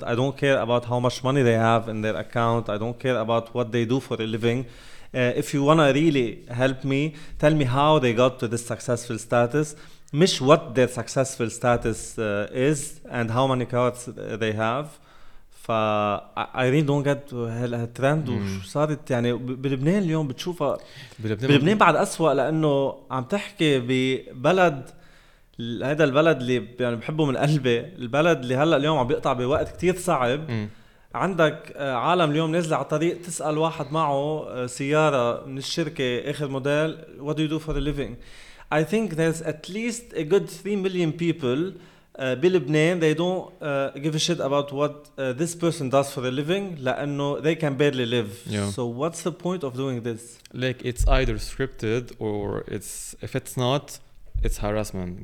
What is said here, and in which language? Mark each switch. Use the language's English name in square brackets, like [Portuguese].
[English] I don't care about how much money they have in their account. I don't care about what they do for a living. If you want to really help me, tell me how they got to this successful status, مش what their successful status is and how many cards they have. [Arabic] I really don't get هالترند وصارت يعني بلبنان اليوم بتشوفها بلبنان بعد أسوأ, لأنه عم تحكي ببلد, هذا البلد اللي يعني بحبه من قلبي, البلد اللي هلأ اليوم عم بيقطع بوقت كتير صعب. عندك عالم اليوم نزل على طريق تسأل واحد معه سيارة من الشركة آخر موديل, what do you do for a living? [English] I think there's at least a good 3 million people بلبنان, they don't give a shit about what this person does for a living, لأنه they can barely live. So what's the point of doing this? Like, it's either scripted or it's, if it's not, it's harassment.